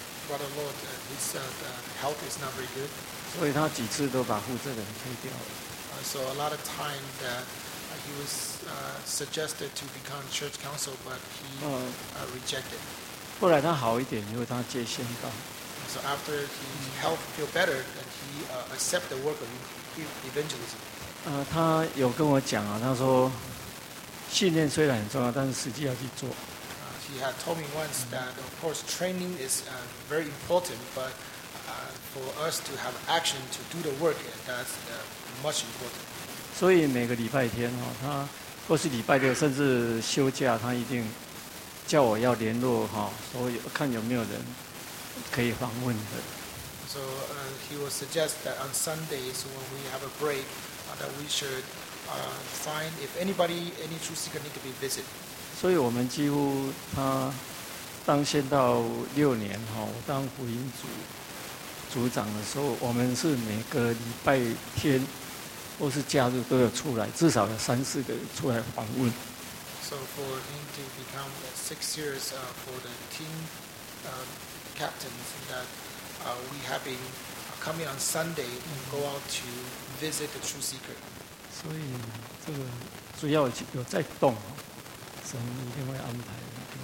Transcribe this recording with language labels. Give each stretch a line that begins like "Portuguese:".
English: Brother Lord, his health is not very good.
Chinese: 所以他几次都把负责人推掉了。
English: So a lot of time that he was suggested to become church council, but he rejected.
Chinese: 后来他好一点，因为他接宣道。
English: So after his health feel better, then he accept the work of evangelism.
Chinese: 他有跟我讲啊，他说训练虽然很重要，但是实际要去做。
English: He had told me once that, of course, training is very important, but for us to have action to do the work, that's much important.
Chinese: 所以每个礼拜天哈，他或是礼拜六，甚至休假，他一定叫我要联络哈，所以看有没有人可以访问的。
English: So he will suggest that on Sundays when we have a break, that we should find if anybody, any true seeker need to be visited.
Chinese: 所以我们几乎他当先到六年哈，我当福音组组长的时候，我们是每个礼拜天或是假日都要出来，至少有三四个出来访问。
English: So for him to become six years for the team captains, that we have been coming on Sunday and go out to visit the true seeker.
Chinese: 所以这个主要有在动。神一定会安排的。